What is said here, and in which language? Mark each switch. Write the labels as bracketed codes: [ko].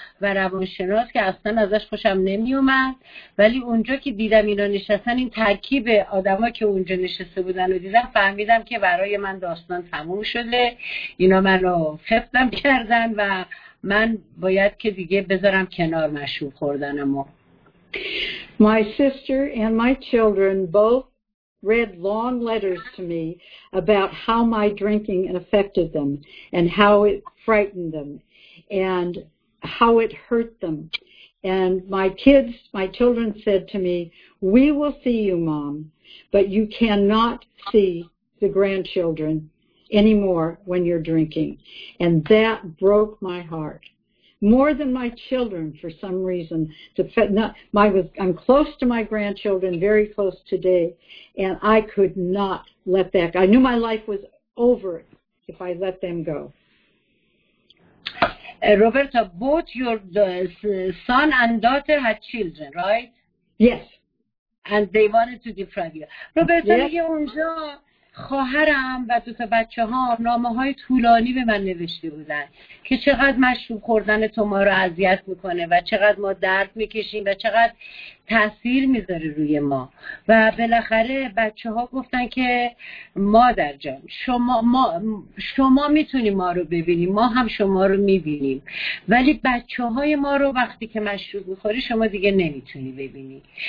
[fa] و روانشناس که اصلا ازش خوشم نمیومد، ولی اونجا که دیدم اینا نشستن، این ترکیب آدما که اونجا نشسته بودن و دیدم، فهمیدم که برای من داستان تموم شده، اینا منو خفتم کردن و من باید که دیگه بذارم کنار مشروب خوردنمو. [en] My sister and my children both read long letters to me about how my drinking affected them and how it frightened them and how it hurt them. And my children said to me, "We will see you, Mom, but you cannot see the grandchildren anymore when you're drinking." And that broke my heart. More than my children, for some reason. I'm close to my grandchildren, very close today, and I could not let that go. I knew my life was over if I let them go. Roberta, both your son and daughter had children, right? Yes. And they wanted to deprive you. Roberta, yes. [fa] خواهرم و دو تا بچه‌ها نامه‌های طولانی به من نوشته بودن که چقدر مشروب خوردن تو ما رو اذیت می‌کنه و چقدر ما درد می‌کشیم و چقدر تأثیر می‌ذاره روی ما، و بالاخره بچه‌ها گفتن که مادر جان، شما می‌تونی ما رو ببینی، ما هم شما رو می‌بینیم، ولی بچه‌های ما رو وقتی که مشروب می‌خوری شما دیگه نمی‌تونی ببینی.